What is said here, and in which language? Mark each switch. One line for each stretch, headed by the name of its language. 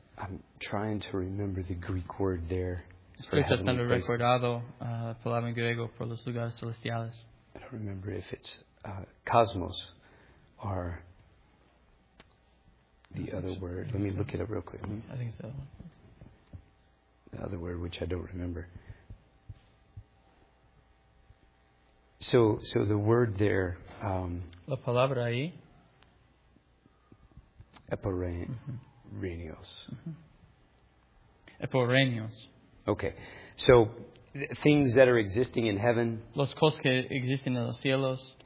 English: I'm trying to remember the Greek word there.
Spanish: Estoy tratando de recordar la palabra en griego por los lugares celestiales.
English: I don't remember if it's cosmos or the other word. Let me look it up real quick. I think it's the other one. The other word, which I don't remember. So the word there.
Spanish: La palabra ahí. Epireneos. Mm-hmm. Epireneos.
English: Okay. So, things that are existing in heaven.
Spanish: Los cosas que existen en los cielos.